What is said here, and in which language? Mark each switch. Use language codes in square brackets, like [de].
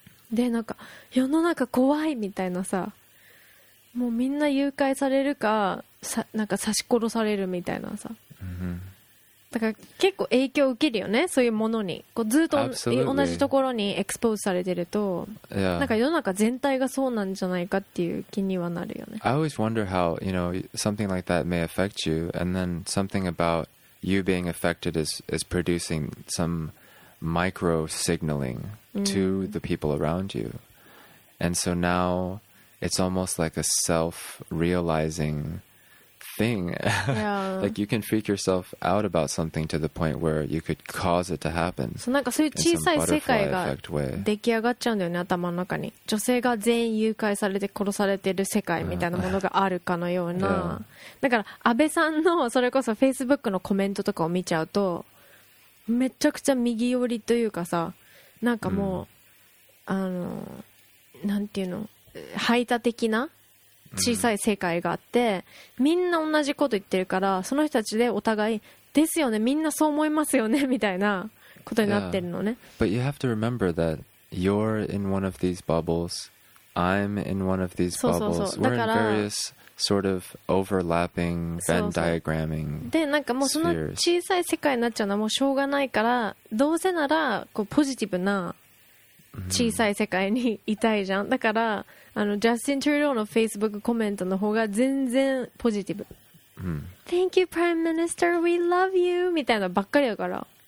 [ja] でなんか世の中怖いみたいなさ、もうみんな誘拐されるかさ、なんか刺し殺されるみたいなさ、だから結構影響を受けるよね、そういうものに。こうずっと、 [en] Absolutely. [ja] 同じところにエクスポーズされてると、 [en] yeah. [ja] なんか世の中全体がそうなんじゃないかっていう気にはなるよね。 [en] I always wonder how, you know, something like that may affect you, and then something about you being affected is producing some micro signaling to the people around you. And so now it's almost like a self-realizing thing. Yeah. Like you can freak yourself out about something to the point where you could cause it to happen. [ja] So, なんかそういう小さい世界が出来上がっちゃうんだよね、頭の中に。女性が全員誘拐されて殺されてる世界みたいなものがあるかのような。 [en] Yeah. [ja] だから安倍さんのそれこそ Facebook のコメントとかを見ちゃうと、めちゃくちゃ右寄りというかさ、なんかもう、mm. あのなんていうの、排他的な。小さい世界があって、うん、みんな同じこと言ってるから、その人たちでお互いですよね、みんなそう思いますよねみたいなことになってるのね。 [en] Yeah. But you have to remember that you're in one of these bubbles, I'm in one of these bubbles. [ja] そうそうそう。 [en] We're in various sort of overlapping Venn diagramming spheres. [ja] で、なんかもうその小さい世界になっちゃうのはもうしょうがないから、どうせならこうポジティブな小さい世界にいたいじゃん。だから。あのジャスティン・トゥルドーのフェイスブックコメントの方が全然ポジティブ、うん、 [en] Thank you Prime Minister We love you [ja] みたいなばっかりだから、